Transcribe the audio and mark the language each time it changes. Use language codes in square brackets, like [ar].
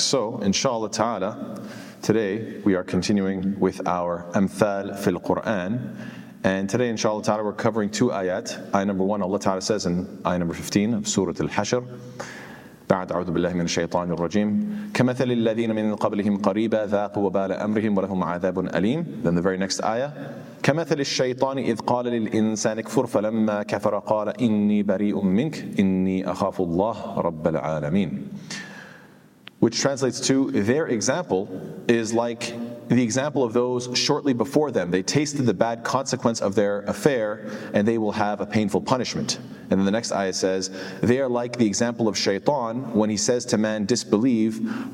[en] So, inshallah ta'ala, today we are continuing with our amthal fil Qur'an. And today, inshallah ta'ala, we're covering two ayat. Ayah number one, Allah ta'ala says in ayah number 15 of Surah Al-Hashir, [ar] بعد أعوذ بالله من الشيطان الرجيم كمثل الذين من قبلهم قريبا ذاقوا وبال أمرهم ولهم عذاب أليم. [en] Then the very next ayah, [ar] كمثل الشيطان إذ قال للإنسان اكفر فلما كفر قال إني بريء منك إني أخاف الله رب العالمين. [en] Which translates to, their example is like the example of those shortly before them. They tasted the bad consequence of their affair, and they will have a painful punishment. And then the next ayah says, they are like the example of shaitan when he says to man, disbelieve.